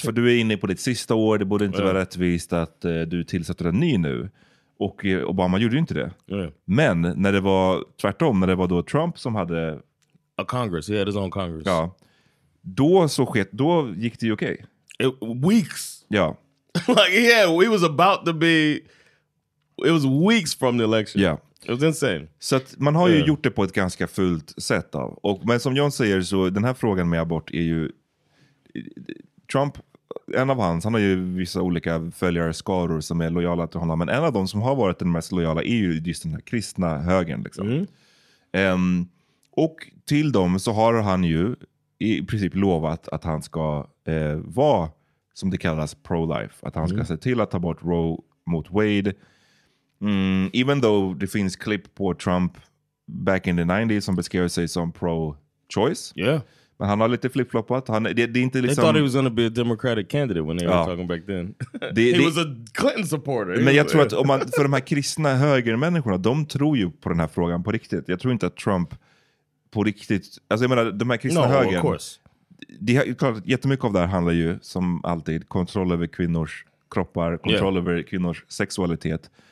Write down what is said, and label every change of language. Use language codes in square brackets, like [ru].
[sv] för du är inne på ditt sista år, det borde inte vara rättvist att du tillsätter en ny nu. Och Obama gjorde ju inte det. [en] Yeah. [sv] Men när det var tvärtom, när det var då Trump som hade [en] a Congress, he had his own Congress. [sv] Ja, då gick det ju okej. [en] Okay. Weeks. [sv] Ja. [en] Like, yeah, we was about to be, it was weeks from the election. Yeah. It was insane. [sv] Så att man har ju gjort det på ett ganska fullt sätt av. Och, men som John säger, så den här frågan med abort är ju, Trump, en av hans, han har ju vissa olika följare, skaror som är lojala till honom. Men en av dem som har varit den mest lojala är ju just den här kristna högern. Liksom. Mm. Och till dem så har han ju i princip lovat att han ska vara, som det kallas, pro-life. Att han ska se till att ta bort Roe mot Wade. [en] Even though [sv] det finns klipp på Trump [en] back in the 90s [sv] som beskrev sig som pro-choice. [en] Yeah. [sv] Men han har lite flip-floppat. Det är inte liksom... [en] They thought he was going to be a Democratic candidate when they were talking back then. he was a Clinton supporter. [sv] Men jag tror att om man, för de här kristna högermänniskorna, de tror ju på den här frågan på riktigt. Jag tror inte att Trump på riktigt... Alltså jag menar, de här kristna högern... [en] No, of course. [sv] Det är klart, jättemycket av det här handlar ju, som alltid, kontroll över kvinnors kroppar, kontroll över kvinnors sexualitet.